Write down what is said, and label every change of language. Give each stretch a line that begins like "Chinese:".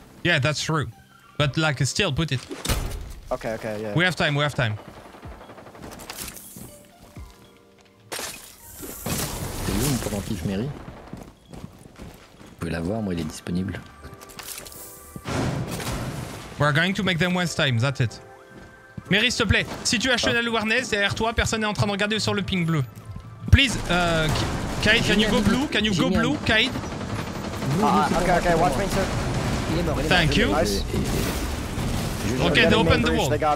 English: Yeah, that's true. But like, still, put it. Okay, yeah. We have time.
French: T'as vu mon pendentif, Mary? Vous pouvez l'avoir, moi, il est disponible.
English: We're going to make them waste time, that's it.
French: Mary, s'il te plaît, si tu as Chanel Warnes derrière toi, personne n'est en train de regarder sur le ping bleu.
English: Please, Kaïd, can you go blue? Can you go blue, Kaïd? Okay, watch me, sir. Thank you. Okay, they opened the wall.